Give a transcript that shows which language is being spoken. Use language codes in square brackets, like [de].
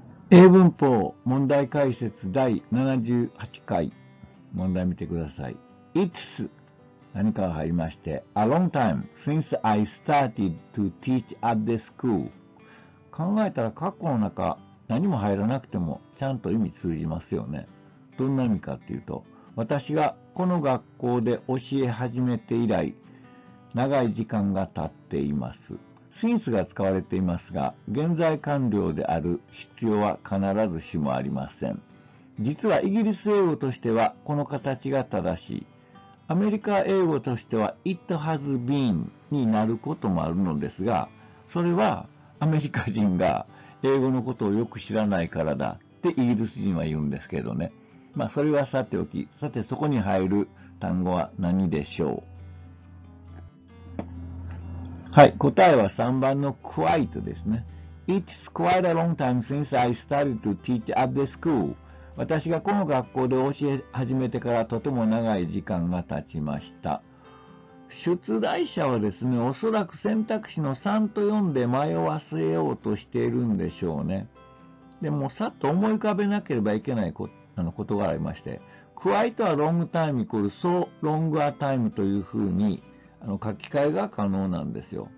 [ja] 英文法問題解説第78回、問題見てください。 [en] It's [ja] 何かが入りまして、 [en] A long time since I started to teach at the school。 [ja] 考えたら括弧の中何も入らなくてもちゃんと意味通じますよね。どんな意味かっていうと、私がこの学校で教え始めて以来長い時間が経っています。 since が使われていますが、現在完了である必要は必ずしもありません。実はイギリス英語としてはこの形が正しい。アメリカ英語としては [en] it has been [ja] になることもあるのですが、それはアメリカ人が英語のことをよく知らないからだってイギリス人は言うんですけどね。まあそれはさておき、さてそこに入る単語は何でしょう。はい、答えは3番の quite ですね。 [en] It's quite a long time since I started to teach at the school。 [ja] 私がこの学校で教え始めてからとても長い時間が経ちました。出題者はですね、おそらく選択肢の3と4で迷わせようとしているんでしょうね。でもさっと思い浮かべなければいけないことがありまして、 [en] quite a long time [ja] イコール [en] so long a time [ja] というふうに書き換えが可能なんですよ。